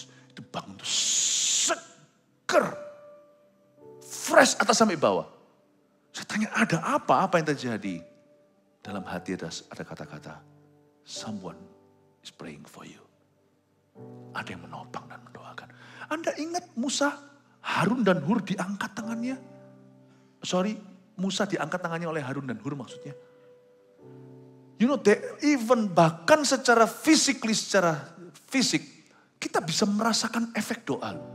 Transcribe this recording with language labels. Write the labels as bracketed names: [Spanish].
[Indonesian] Itu bangun tuh seger, fresh atas sampai bawah. Saya tanya ada apa, apa yang terjadi? Dalam hati ada kata-kata, [English] someone is praying for you. [Indonesian] Ada yang menopang dan mendoakan. Anda ingat Musa, Harun dan Hur diangkat tangannya? Sorry, Musa diangkat tangannya oleh Harun dan Hur maksudnya. [English] You know, [Indonesian] bahkan secara physically, secara fisik, kita bisa merasakan efek doa.